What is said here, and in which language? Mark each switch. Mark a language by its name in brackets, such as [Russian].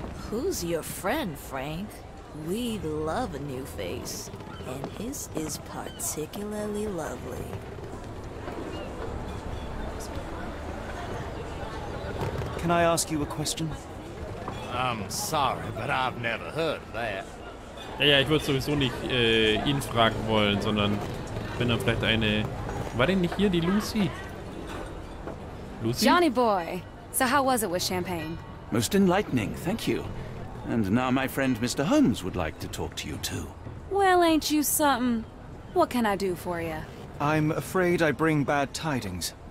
[English] Who's your friend, Frank? We love a new face. And his is particularly lovely. Can I ask you a question? I'm sorry, but I've never heard of that. [German] Ja, ich würde sowieso nicht ihn fragen wollen, sondern bin dann vielleicht eine. War denn nicht hier die Lucy? Lucy? [English] Johnny Boy, so how was it with champagne? Most enlightening, thank you. And now my friend Mr. Holmes would like to talk to you too. Well, ain't you something? What can I do for you? I'm afraid I bring bad tidings.